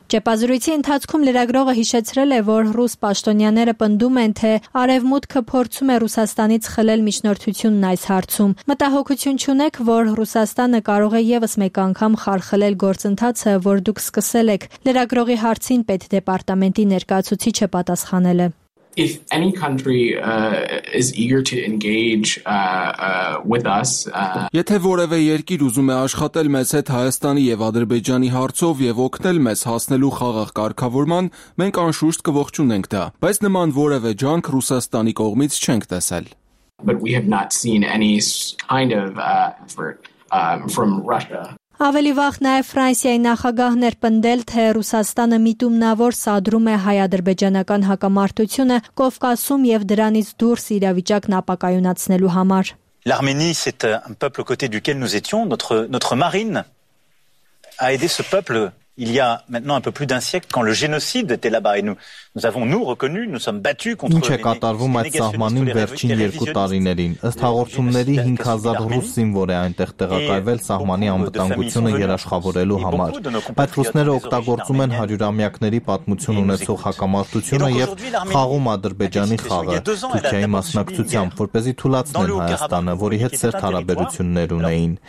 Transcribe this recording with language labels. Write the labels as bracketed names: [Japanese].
[Armenian] Ճեպազրույցի ընթացքում լրագրողը հիշեցրել է, որ ռուս պաշտոնյաները պնդում են, թե Արևմուտքը փորձում է Ռուսաստանից խլել միջնորդությունն այս հարցում։ Մտահոգություն չունեք, որ Ռուսաստանը կարող է ևս մեկ անգամ խարխլել գործընթացը, որ դուք սկսել եք։ Լրագրողի հարցին Պետդեպարտամենտի ներկայացուցիչը պատասխանել է. [English] If any country is eager to engage with us, [Armenian] եթե որևէ երկիր ուզում է աշխատել մեզ հետ Հայաստանի եւ Ադրբեջանի հարցով եւ օգնել մեզ հասնելու խաղաղ կարգավորման, մենք անշուշտ կողջունենք դա, բայց նման որևէ ջանք Ռուսաստանի կողմից չենք տեսել. [English] But we have not seen any kind of effort from Russia. [Armenian] Ավելի վաղ նաև Ֆրանսիայի նախագահներ պնդել, թե Ռուսաստանը միտումնավոր սադրում է հայ-ադրբեջանական հակամարտությունը Կովկասում և դրանից դուրս իրավիճակն ապակայունացնելու համար։ [French] L'Arménie c'est un peuple au côté duquel nous étions, notre marine a aidé ce peuple Il y a maintenant un peu plus d'un siècle quand le génocide était là-bas et nous avons nous reconnu, nous sommes battus contre. [Armenian] Ինչ է կատարվում այդ սահմանին վերջին երկու տարիներին։ Ըստ հաղորդումների 5000 ռուս զինվոր է այնտեղ տեղակայվել սահմանի անվտանգությունը երաշխավորելու համար։ Բայց ռուսները օգտագործում են 100-ամյակների պատմություն ունեցող հակամարտությունը եւ խաղում Ադրբեջանի խաղը Թուրքիայի մասնակցությամբ, որպեսզի թույլատրեն Հայաստանը, որի հետ սերտ հարաբերություններ ունեին։